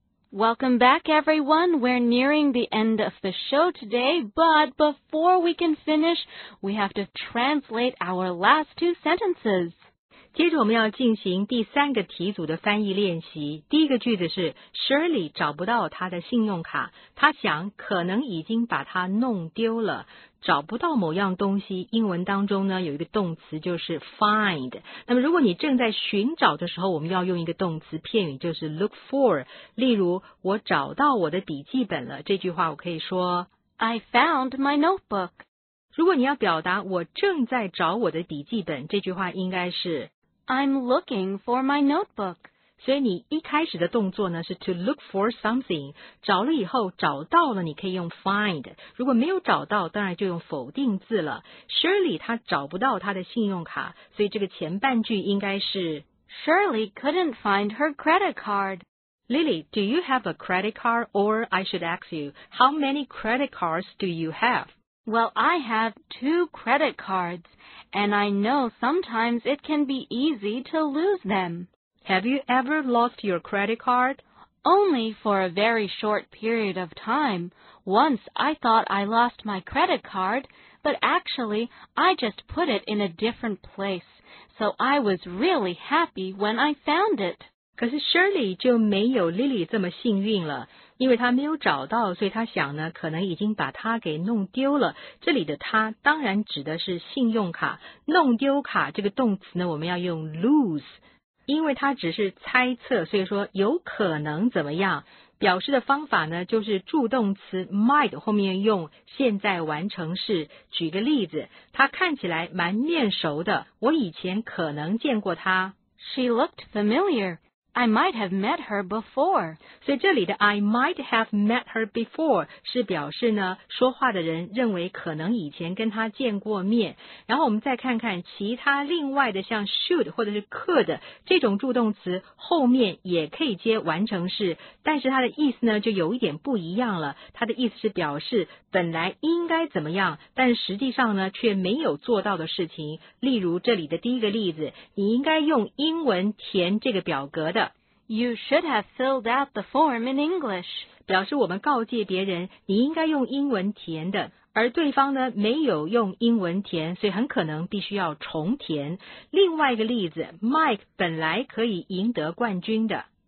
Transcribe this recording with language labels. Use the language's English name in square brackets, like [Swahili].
[English] Welcome back, everyone. We're nearing the end of the show today, but before we can finish, we have to translate our last two sentences. [Chinese] 接着我们要进行第三个题组的翻译练习。第一个句子是 Shirley 找不到她的信用卡，她想可能已经把它弄丢了。找不到某样东西，英文当中呢有一个动词就是 find。那么如果你正在寻找的时候，我们要用一个动词片语，就是 look for。例如，我找到我的笔记本了，这句话我可以说 [English] I found my notebook。 [Chinese] 如果你要表达我正在找我的笔记本，这句话应该是 [English] I'm looking for my notebook。 [Chinese] 所以你一开始的动作呢是 [English] to look for something， [Chinese] 找了以后找到了你可以用 find， 如果没有找到当然就用否定字了。 Shirley 她找不到她的信用卡，所以这个前半句应该是 [English] Shirley couldn't find her credit card。 Lily, do you have a credit card? Or I should ask you, how many credit cards do you have? Well, I have two credit cards, and I know sometimes it can be easy to lose them. Have you ever lost your credit card? Only for a very short period of time. Once I thought I lost my credit card, but actually I just put it in a different place. So I was really happy when I found it. [Chinese] 可是 Shirley 就没有 Lily 这么幸运了，因为她没有找到，所以她想呢，可能已经把她给弄丢了。这里的她当然指的是信用卡，弄丢卡这个动词呢，我们要用 lose。因为他只是猜测，所以说有可能怎么样，表示的方法呢就是助动词 might 后面用现在完成式。举个例子，他看起来蛮面熟的，我以前可能见过他。 [English] She looked familiar. I might have met her before. [Chinese] 所以这里的 [English] I might have met her before [Chinese] 是表示呢说话的人认为可能以前跟他见过面。然后我们再看看其他另外的，像 should 或者是 could 这种助动词后面也可以接完成式，但是它的意思呢就有一点不一样了。它的意思是表示本来应该怎么样，但实际上呢却没有做到的事情。例如这里的第一个例子，你应该用英文填这个表格的。 You should have filled out the form in English. 表示我们告诫别人，你应该用英文填的，而对方呢没有用英文填，所以很可能必须要重填。另外一个例子， Mike 本来可以赢得冠军的。